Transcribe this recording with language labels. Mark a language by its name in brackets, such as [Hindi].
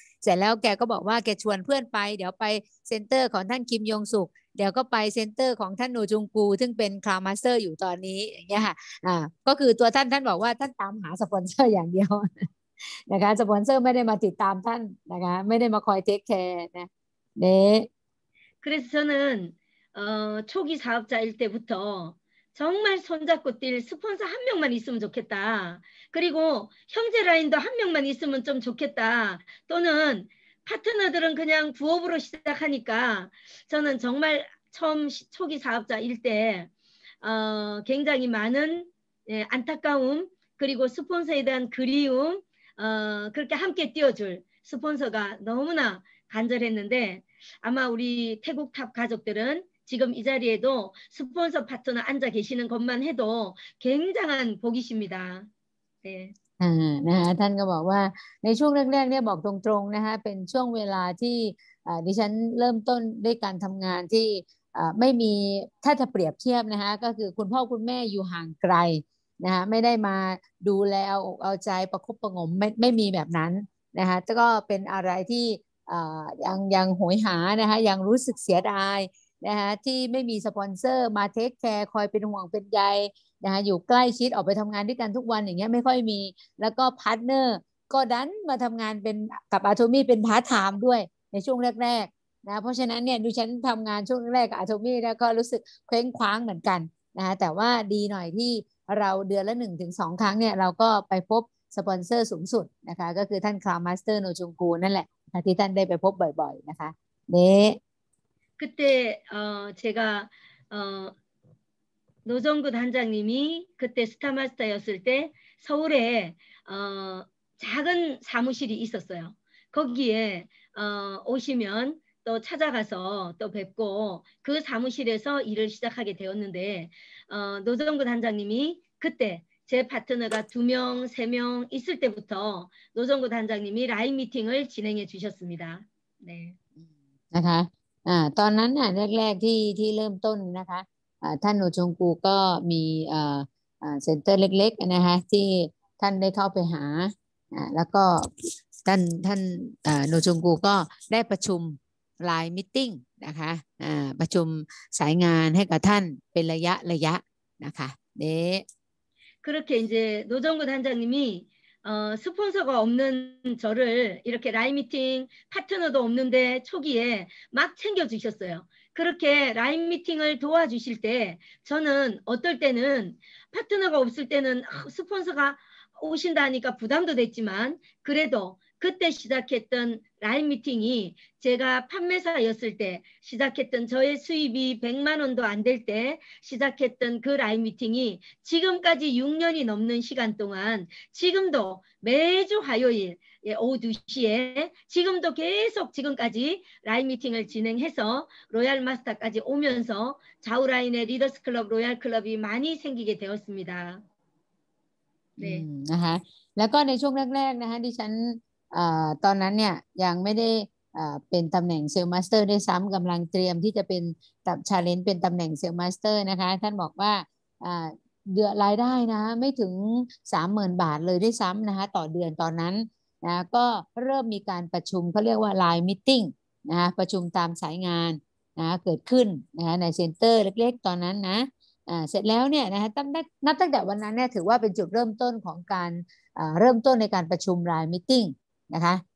[Thai] เสร็จแล้วแกก็บอกว่าแกชวนเพื่อนไปเดี๋ยวไปเซ็นเตอร์ของท่านคิมยงสุกเดี๋ยวก็ไปเซ็นเตอร์ของท่านโนจุงกูซึ่งเป็นคลาวมาสเตอร์อยู่ตอนนี้อย่างเงี้ยค่ะก็คือตัวท่านท่านบอกว่าท่านตามหาสปอนเซอร์อย่างเดียวนะคะสปอนเซอร์ไม่ได้มาติดตามท่านนะคะไม่ได้มาคอยเทคแคร์นะเนี่ย [Korean] 그래서 저는 초기 사업자일 때부터 정말 손잡고 뛸 스폰서 한 명만 있으면 좋겠다. 그리고 형제 라인도 한 명만 있으면 좀 좋겠다. 또는 파트너들은 그냥 부업으로 시작하니까 저는 정말 처음 초기 사업자일 때 굉장히 많은 안타까움 그리고 스폰서에 대한 그리움 그렇게 함께 뛰어줄 스폰서가 너무나 간절했는데 아마 우리 태국탑 가족들은 지금 이 자리에도 스폰서 파트너 앉아 계시는 것만 해도 굉장한 복이십니다. 네. [Thai] นะคะท่านก็บอกว่าในช่วงแรกๆเนี่ยบอกตรงๆนะคะเป็นช่วงเวลาที่ดิฉันเริ่มต้นด้วยการทำงานที่ไม่มีถ้าจะเปรียบเทียบนะคะก็คือคุณพ่อคุณแม่อยู่ห่างไกลนะคะไม่ได้มาดูแลเอาใจประคบประหงมไม่มีแบบนั้นนะคะแต่ก็เป็นอะไรที่ ยังโหยหานะคะยังรู้สึกเสียดายนะคะที่ไม่มีสปอนเซอร์มาเทคแคร์คอยเป็นห่วงเป็นใยนะคะอยู่ใกล้ชิดออกไปทํางานด้วยกันทุกวันอย่างเงี้ยไม่ค่อยมีแล้วก็พาร์ทเนอร์ก็ดันมาทํางานเป็นกับอาโทมี่เป็นพาร์ทไทม์ด้วยในช่วงแรกๆนะเพราะฉะนั้นเนี่ยดูฉันทํางานช่วงแรกกับอาโทมี่แล้วก็รู้สึกเคว้งคว้างเหมือนกันนะคะแต่ว่าดีหน่อยที่ เราเดือนละ1 ถึง 2 ครั้งเนี่ยเราก็ไปพบสปอนเซอร์สูงสุดนะคะก็คือท่านคลาวมาสเตอร์โนจุงกูนั่นแหละที่ท่านได้ไปพบบ่อยๆนะคะเนี่ย [Korean] 그때 제가 노정구 단장님이 그때 스타마스터였을 때 서울에 작은 사무실이 있었어요. 거기에 오시면 또 찾아가서 또 뵙고 그 사무실에서 일을 시작하게 되었는데 노정구 단장님이 그때 제 파트너가 2명, 3명 있을 때부터 노정구 단장님이 라인 미팅을 진행해 주셨습니다. 네. 네. 네. [Thai] ตอนนั้นน่ะแรกๆที่เริ่มต้นนะคะท่านโนจงกูก็มีเซ็นเตอร์เล็กๆนะคะที่ท่านได้เข้าไปหาแล้วก็ท่านโนจงกูก็ได้ประชุมไลน์มิทติ้งนะคะประชุมสายงานให้กับท่านเป็นระยะนะคะเด้ [Korean] 그렇게 이제 노정구 단장님이 스폰서가 없는 저를 이렇게 라인 미팅 파트너도 없는데 초기에 막 챙겨주셨어요. 그렇게 라인 미팅을 도와주실 때 저는 어떨 때는 파트너가 없을 때는 스폰서가 오신다 하니까 부담도 됐지만 그래도 그때 시작했던 라인 미팅이 제가 판매사였을 때 시작했던 저의 수입이 100만 원도 안 될 때 시작했던 그 라인 미팅이 지금까지 6년이 넘는 시간 동안 지금도 매주 화요일 오후 2시에 지금도 계속 지금까지 라인 미팅을 진행해서 로얄 마스터까지 오면서 좌우 라인의 리더스 클럽 로얄 클럽이 많이 생기게 되었습니다. 네. 아하. [Thai] แล้วก็ในช่วงแรกๆนะคะดิฉันตอนนั้นเนี่ยยังไม่ได้เป็นตำแหน่งเซลล์มาสเตอร์ได้ซ้ำกำลังเตรียมที่จะเป็นตับชาเลนจ์เป็นตำแหน่งเซลล์มาสเตอร์นะคะท่านบอกว่า เดือนรายได้นะไม่ถึง 30,000 บาทเลยได้ซ้ำนะคะต่อเดือนตอนนั้นนะก็เริ่มมีการประชุมเขาเรียกว่าไลน์มีตติ้งนะคะประชุมตามสายงานนะเกิดขึ้นนะในเซ็นเตอร์เล็กๆตอนนั้นนะเสร็จแล้วเนี่ยนะคะตั้งแต่วันนั้นเนี่ยถือว่าเป็นจุดเริ่มต้นของการเริ่มต้นในการประชุมไลน์มีตติ้งนะคะ